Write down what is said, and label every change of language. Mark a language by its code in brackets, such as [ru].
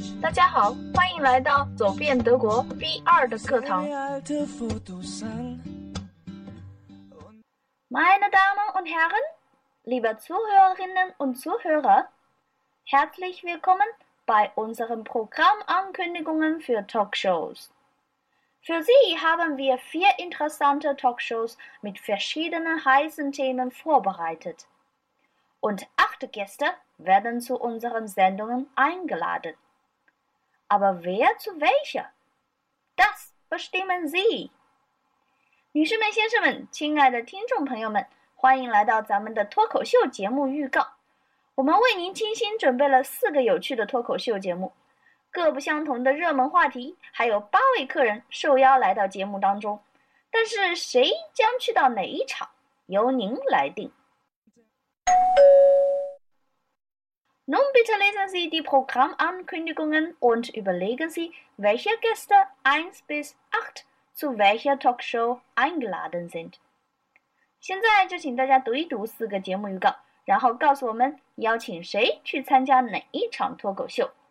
[zh] 大家好，欢迎来到走遍德国 B2 的课堂。 [de] Meine Damen und Herren, liebe Zuhörerinnen und Zuhörer, herzlich willkommen bei unseren Programmankündigungen für Talkshows. Für Sie haben wir 4 interessante Talkshows mit verschiedenen heißen Themen vorbereitet. Und 8 Gäste werden zu unseren Sendungen eingeladen. Aber wer zu welcher? Das bestimmen Sie! [zh] 女士们、先生们、亲爱的听众朋友们，欢迎来到咱们的脱口秀节目预告。我们为您精心准备了4个有趣的脱口秀节目，各不相同的热门话题，还有8位客人受邀来到节目当中。但是谁将去到哪一场，由您来定。 [de] Nun bitte lesen Sie die Programmankündigungen und überlegen Sie, welche Gäste 1 bis 8zu welcher Talkshow eingeladen sind. [zh] 现在就请大家读一读四个节目预告，然后告诉我们邀请谁去参加哪一场脱口秀。